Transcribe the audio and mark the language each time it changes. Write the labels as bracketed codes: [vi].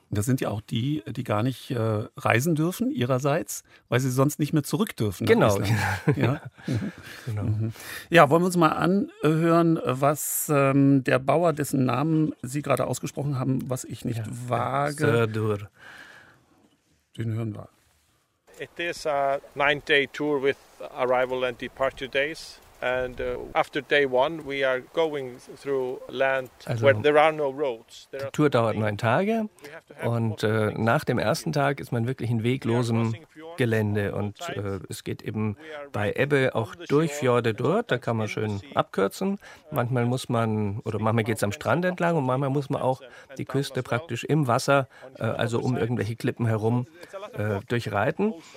[de] Das sind ja auch die, die gar nicht reisen dürfen ihrerseits, weil sie sonst nicht mehr zurück dürfen. Genau. Ja? Genau. Mhm. Ja, wollen wir uns mal anhören, was der Bauer, dessen Namen Sie gerade ausgesprochen haben, was ich nicht wage. Sördur. Den hören wir. [en] It is a 9-day tour with arrival and departure days. And after day one, we are going through land where there are no roads. [de] Die Tour dauert 9 Tage. Und nach dem ersten Tag ist man wirklich in weglosem Gelände. Und es geht eben bei Ebbe auch durch Fjorde dort. Da kann man schön abkürzen. Manchmal muss man, oder manchmal geht es am Strand entlang. Und manchmal muss man auch die Küste praktisch im Wasser, also um irgendwelche Klippen herum, durchreiten.